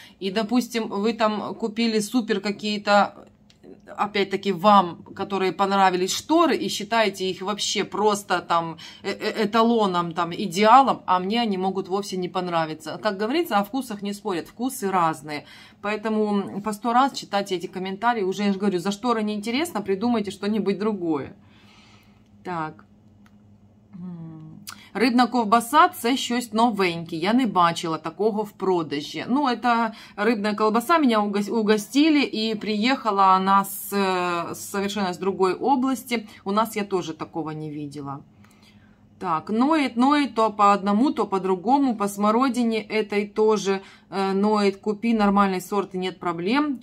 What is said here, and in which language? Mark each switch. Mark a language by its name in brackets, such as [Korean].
[Russian] И, допустим, вы там купили супер какие-то, опять-таки, вам, которые понравились шторы, и считаете их вообще просто там эталоном, там идеалом, а мне они могут вовсе не понравиться. Как говорится, о вкусах не спорят, вкусы разные. Поэтому по 100 раз читайте эти комментарии. Уже я же говорю, за шторы неинтересно, придумайте что-нибудь другое. Так. [Ukrainian] Рыбна ковбаса – це щось новеньке. Я не бачила такого в продажі. [Russian] Ну, это рыбная колбаса, меня угостили, и приехала она совершенно с другой области. У нас я тоже такого не видела. Так, ноет, ноет, то по одному, то по другому. По смородине этой тоже ноет. Купи нормальный сорт, и нет проблем.